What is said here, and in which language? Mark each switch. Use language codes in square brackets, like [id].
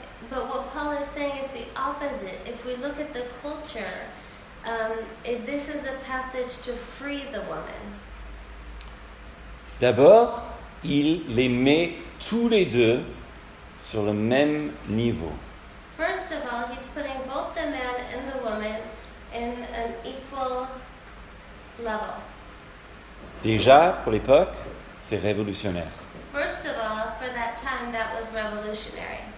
[en] But what Paul is saying is the opposite. If we look at the culture, this is a passage to free the woman. [fr] D'abord, il les met tous les deux sur le même niveau. [en] First of all, he's putting both the man and the woman in an equal level. [fr] Déjà, pour l'époque, c'est révolutionnaire. [en] First of all, for that time, that was revolutionary.